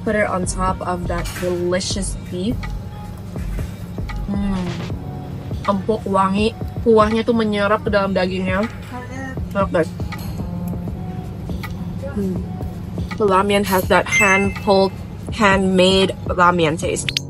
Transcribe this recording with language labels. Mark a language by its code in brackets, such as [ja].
[en] Put it on top of that delicious beef. [id] Empuk, wangi. Kuahnya tuh menyerap ke dalam dagingnya. [en] Okay. The ramen has that hand-pulled, handmade ramen taste.